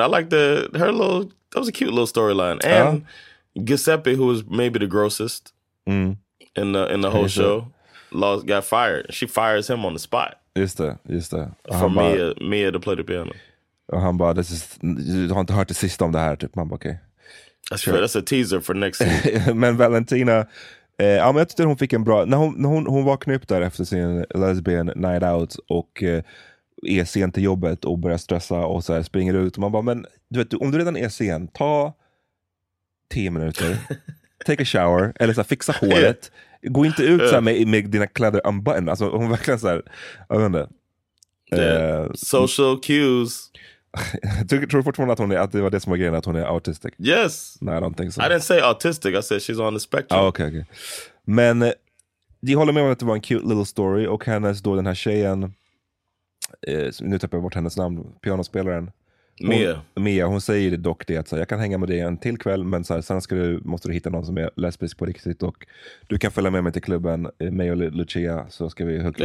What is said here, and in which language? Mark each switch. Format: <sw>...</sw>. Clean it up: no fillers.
<en>I liked her little, that was a cute little storyline. And Giuseppe, who was maybe the grossest in the whole show, lost, got fired. She fires him on the spot.</en> <sv>Just det.</sv> <en>För Mia to play the piano.</en> <sv>Och han bara, du har inte hört det sista om det här. Typ. Man bara, okej.</sv> <en>Okay. Sure. That's a teaser for next week.</en> <sv>Men Valentina, ja, men jag tyckte hon fick en bra... När hon vaknade upp där efter sin</sv> <en>lesbian night out</en> <sv>och är sen till jobbet och börjar stressa och så här springer ut. Man bara, men du vet, om du redan är sen, ta 10 minuter.</sv> <en>Take a shower.</en> <sv>Eller så här, fixa håret. Gå inte ut så här med dina kläder unbuttoned. Alltså hon verkligen så här, jag vet inte.</sv> <en>Social cues.</en> <sv>Tror fortfarande att det var det som var grejen, att hon är autistic?</sv> <en>Yes. No, I don't think so. I didn't say autistic, I said she's on the spectrum. Okay.</en> <sv>Men de håller med om att det var en</sv> <en>cute little story.</en> <sv>Och hennes då, den här tjejen, nu tappar jag bort hennes namn, pianospelaren Mia, hon säger dock det att så här, jag kan hänga med dig en till kväll, men så här, sen ska du, måste du hitta någon som är lesbisk på riktigt och du kan följa med mig till klubben, mig och Lucia, så ska vi hooka</sv>